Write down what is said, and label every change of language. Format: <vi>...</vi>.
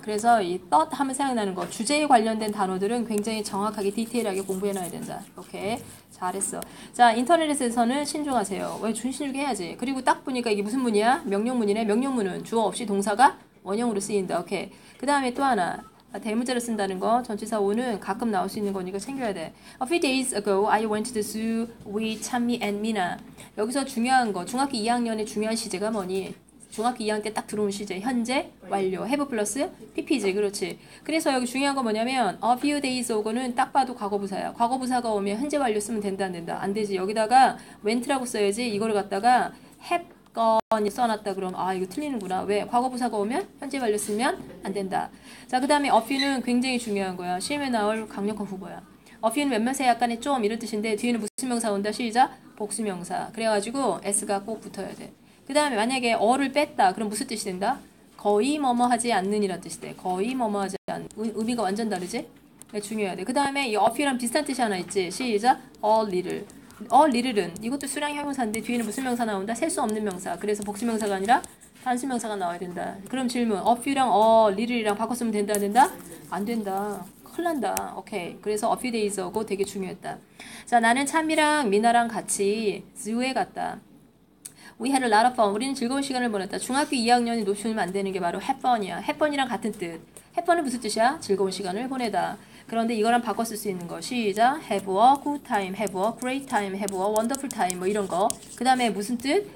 <ko>그래서 이 thought 하면 생각나는 거 주제에 관련된 단어들은 굉장히 정확하게 디테일하게 공부해 놔야 된다. 오케이. 잘했어. 자, 인터넷에서는 신중하세요. 왜 준신중 해야지. 그리고 딱 보니까 이게 무슨 문이야? 명령문이네. 명령문은 주어 없이 동사가 원형으로 쓰인다. 오케이. 그 다음에 또 하나. 대문자로 쓴다는 거. 전치사 오는 가끔 나올 수 있는 거니까 챙겨야 돼.</ko> <en>A few days ago, I went to the zoo with Chami and Mina.</en> <ko>여기서 중요한 거. 중학교 2학년의 중요한 시제가 뭐니? 중학교 2학년 때딱 들어온 시제. 현재, 완료. have plus PP 지. 그렇지. 그래서 여기 중요한 거 뭐냐면, a few days ago 는 딱 봐도 과거부사야. 과거부사가 오면 현재 완료 쓰면 된다, 안 된다. 안 되지. 여기다가 went라고 써야지. 이거를 갖다가 have 써놨다 그럼 아 이거 틀리는구나. 왜? 과거부사가 오면 현재 완료 쓰면 안 된다. 자, 그 다음에 어퓨는 굉장히 중요한 거야. 시험에 나올 강력한 후보야. 어퓨는 몇몇의 약간의 좀 이런 뜻인데 뒤에는 무슨 명사 온다. 시작. 복수명사. 그래가지고 s가 꼭 붙어야 돼. 그 다음에 만약에 어를 뺐다 그럼 무슨 뜻이 된다? 거의 뭐뭐하지 않는 이란 뜻이 돼. 거의 뭐뭐하지 않는. 의미가 완전 다르지? 중요해야 돼. 그 다음에 이 어퓨랑 비슷한 뜻이 하나 있지.</ko> <en>시작. a little.</en> <ko>a little은 이것도 수량 형용사인데 뒤에는 무슨 명사 나온다? 셀수 없는 명사. 그래서 복수명사가 아니라 단수명사가 나와야 된다. 그럼 질문. a few랑 a little이랑 바꿨으면 된다, 안 된다? 안 된다. 큰일 난다. 오케이. 그래서 a few days ago 되게 중요했다. 자, 나는 찬미랑 미나랑 같이 zoo에 갔다.</ko> <en>We had a lot of fun.</en> <ko>우리는 즐거운 시간을 보냈다. 중학교 2학년이 놓치면 안 되는 게 바로 have fun이야. have fun이랑 같은 뜻. have fun은 무슨 뜻이야? 즐거운 시간을 보내다. 그런데 이거랑 바꿔 쓸수 있는 거.</ko> <en>시작. Have a good time. Have a great time. Have a wonderful time. 뭐 이런 거. 그 다음에 무슨 뜻?</en>